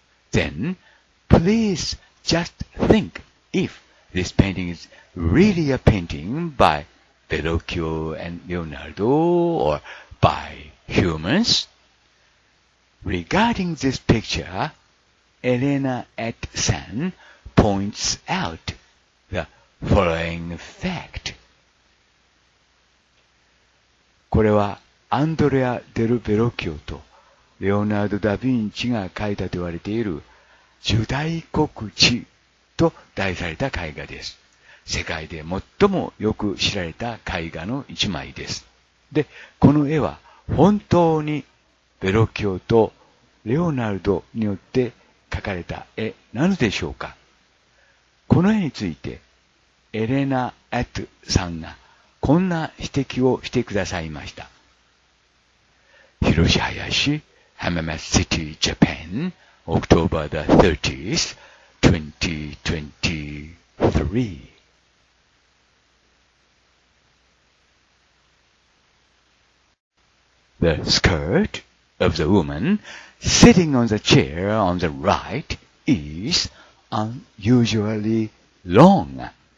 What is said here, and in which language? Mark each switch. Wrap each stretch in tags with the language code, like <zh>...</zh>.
<en>Then, please just think if this painting is really a painting by Verrocchio and Leonardo or by humans. Regarding this picture, Elena Etsan points out the following fact.</en> <ja>これはアンドレア・デル・ベロキオとレオナルド・ダ・ヴィンチが描いたと言われている受胎告知と題された絵画です。世界で最もよく知られた絵画の一枚です。で、この絵は本当にベロキオとレオナルドによって描かれた絵なのでしょうか。この絵についてエレナ・エトさんがこんな指摘をしてくださいました。</ja> <en>Hiroshi Hayashi, Hamamatsu City, Japan, October the 30th, 2023. The skirt of the woman sitting on the chair on the right is unusually long.</en>